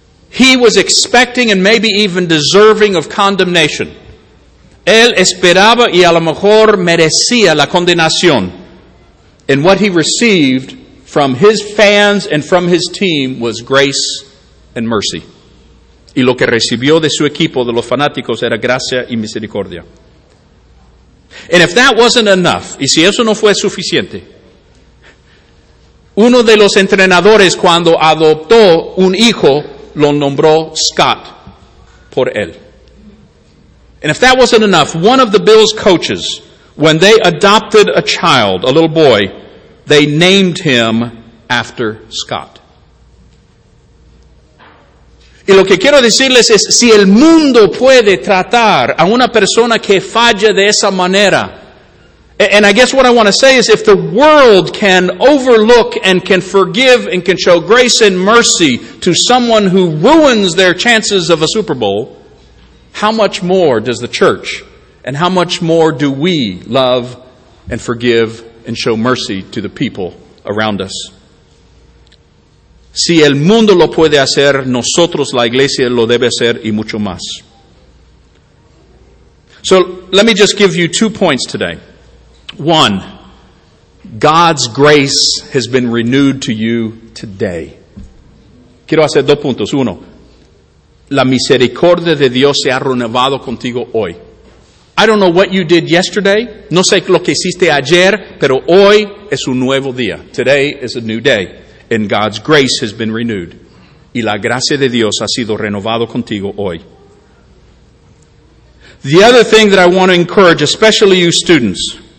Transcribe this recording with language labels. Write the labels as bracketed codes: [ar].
[en] He was expecting and maybe even deserving of condemnation. [es] Él esperaba y a lo mejor merecía la condenación. [en] And what he received from his fans and from his team was grace and mercy. [es] Y lo que recibió de su equipo, de los fanáticos, era gracia y misericordia. [en] And if that wasn't enough, [es] y si eso no fue suficiente, uno de los entrenadores, cuando adoptó un hijo, lo nombró Scott por él. [en] And if that wasn't enough, one of the Bills coaches, when they adopted a child, a little boy, they named him after Scott. [es] Y lo que quiero decirles es, si el mundo puede tratar a una persona que falla de esa manera, [en] and I guess what I want to say is, if the world can overlook and can forgive and can show grace and mercy to someone who ruins their chances of a Super Bowl, how much more does the church, and how much more do we love and forgive and show mercy to the people around us? [es] Si el mundo lo puede hacer, nosotros, la iglesia, lo debe hacer y mucho más. [en] So let me just give you 2 points today. One, God's grace has been renewed to you today. [es] Quiero hacer 2 puntos. Uno, la misericordia de Dios se ha renovado contigo hoy. [en] I don't know what you did yesterday. [es] No sé lo que hiciste ayer, pero hoy es un nuevo día. [en] Today is a new day. And God's grace has been renewed. [es] Y la gracia de Dios ha sido renovado contigo hoy. [en] The other thing that I want to encourage, especially you students.